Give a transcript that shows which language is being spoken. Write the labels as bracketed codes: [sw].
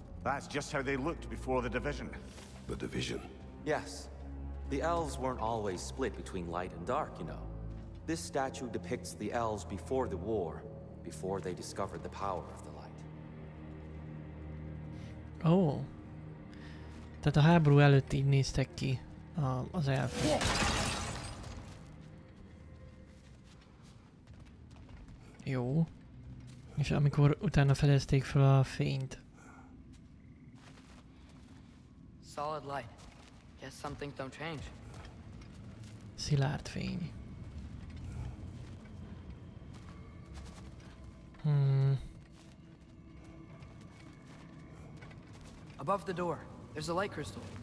[en] That's just how they looked before the division. The division? Yes. The elves weren't always split between light and dark, you know. This statue depicts the elves before the war, before they discovered the power of the light. Oh. [hu] Tehát a háború előtt így néztek ki az elfek. Jó. És amikor utána fedezték fel a fényt. [en] Solid light. Guess some things don't change. [hu] Szilárd fény. [en] Above the door, there's a light crystal.